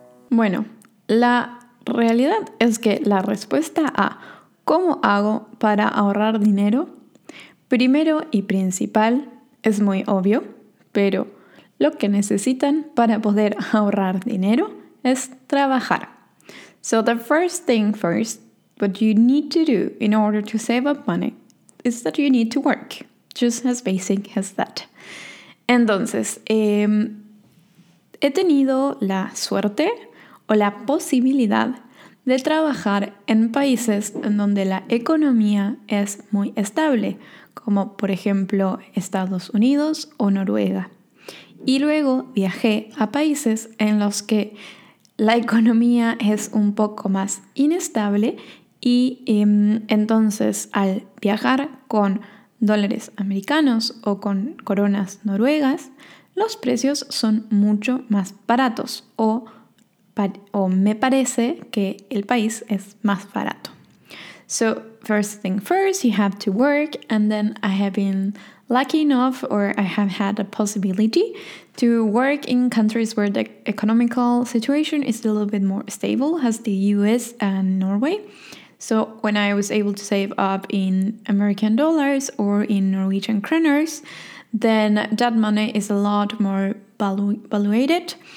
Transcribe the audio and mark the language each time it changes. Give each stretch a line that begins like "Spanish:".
Spanish: Bueno, la realidad es que la respuesta a cómo hago para ahorrar dinero, primero y principal, es muy obvio, pero lo que necesitan para poder ahorrar dinero es trabajar.
English: So the first thing first, what you need to do in order to save up money, is that you need to work. Just as basic as that.
Spanish: Entonces, he tenido la suerte o la posibilidad de trabajar en países en donde la economía es muy estable, como por ejemplo Estados Unidos o Noruega. Y luego viajé a países en los que la economía es un poco más inestable y entonces al viajar con dólares americanos o con coronas noruegas, los precios son mucho más baratos o me parece que el país es más barato.
English: So, first thing first, you have to work, and then I have been lucky enough, or I have had a possibility to work in countries where the economical situation is a little bit more stable, as the US and Norway. So, when I was able to save up in American dollars or in Norwegian kroners, then that money is a lot more valuated.